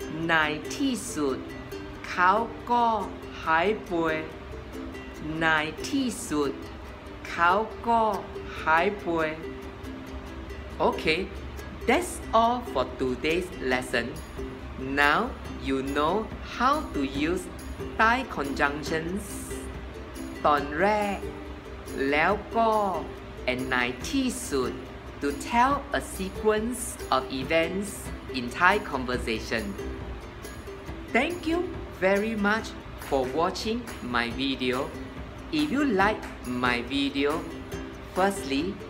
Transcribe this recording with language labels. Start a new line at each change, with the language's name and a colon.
Thai: ในที่สุดเขาก็หายป่วยในที่สุดเขาก็หายป่วย
English: Okay, that's all for today's lesson. Now you know how to use Thai conjunctions. ตอนแรกแล้วก็ and ในที่สุด to tell a sequence of events in Thai conversation. Thank you very much for watching my video. If you like my video, firstly,